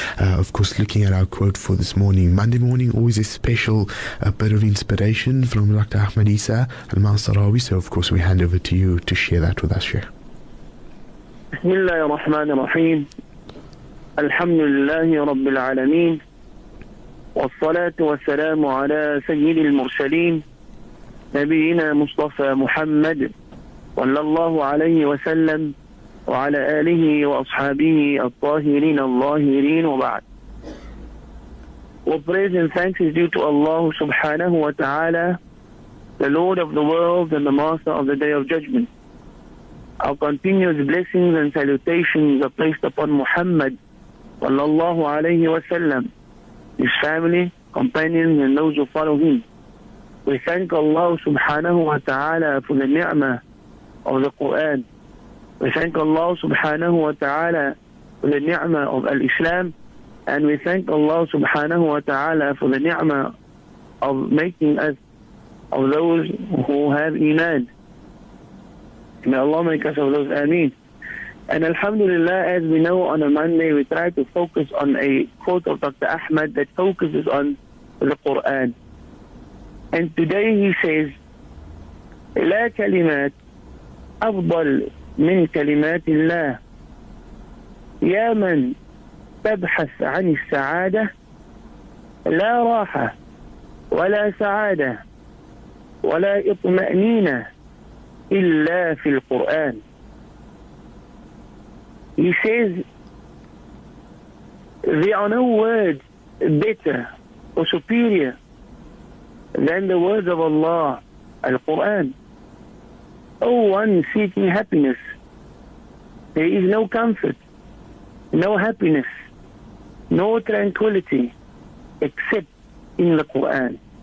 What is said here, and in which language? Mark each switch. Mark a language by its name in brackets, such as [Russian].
[English] Of course, looking at our quote for this morning, Monday morning, always a special bit of inspiration from Dr. Ahmad Essa El Masarawi. So, of course, we hand over to you to share that with us, Sheikh. [Arabic] والصلاة والسلام على سيد المرسلين نبينا مصطفى محمد صلى الله عليه وسلم وعلى آله وأصحابه الطاهرين اللاهرين وبعد. [English] Praise and thanks is due to Allah subhanahu wa ta'ala, the Lord of the world and the master of the day of judgment. Our continuous blessings and salutations are placed upon Muhammad [Arabic] صلى الله عليه وسلم, [English] his family, companions, and those who follow him. We thank Allah subhanahu wa ta'ala for the ni'mah of the Qur'an. We thank Allah subhanahu wa ta'ala for the ni'mah of al-Islam. And we thank Allah subhanahu wa ta'ala for the ni'mah of making us of those who have iman. May Allah make us of those, ameen. And alhamdulillah, as we know, on a Monday, we try to focus on a quote of Dr. Ahmad that focuses on the Qur'an. And today he says, [Arabic] لا كلمات أفضل من كلمات الله يا من تبحث عن السعادة لا راحة ولا سعادة ولا إطمأنينة إلا في القرآن. [English] He says, there are no words better or superior than the words of Allah, Al-Quran. O one seeking happiness, there is no comfort, no happiness, no tranquility except in the Quran.